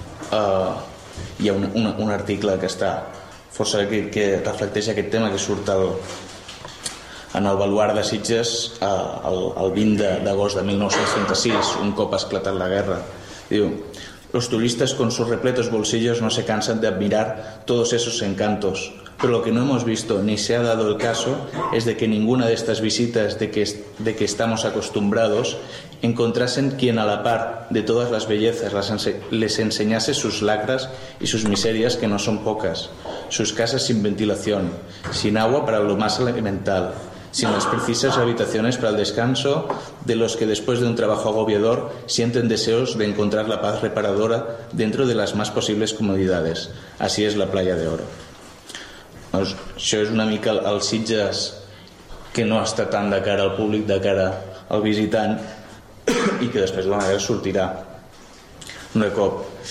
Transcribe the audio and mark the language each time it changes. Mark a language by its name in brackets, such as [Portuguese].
[Catalan] Hi ha un article que està força que reflecteix aquest tema, que surt en el Baluard de Sitges el 20 d'agost de 1936, un cop ha esclatat la guerra. [Spanish] Diu: "Los turistas con sus repletos bolsillos no se cansan de admirar todos esos encantos, pero lo que no hemos visto ni se ha dado el caso es de que ninguna de estas visitas de que estamos acostumbrados encontrasen quien, a la par de todas las bellezas, les enseñase sus lacras y sus miserias, que no son pocas, sus casas sin ventilación, sin agua para lo más elemental, sin las precisas habitaciones para el descanso de los que, después de un trabajo agobiador, sienten deseos de encontrar la paz reparadora dentro de las más posibles comodidades. Así es la Playa de Oro". [Catalan] Doncs això és una mica el Sitges que no està tant de cara al públic, de cara al visitant, i que després de la guerra sortirà un cop.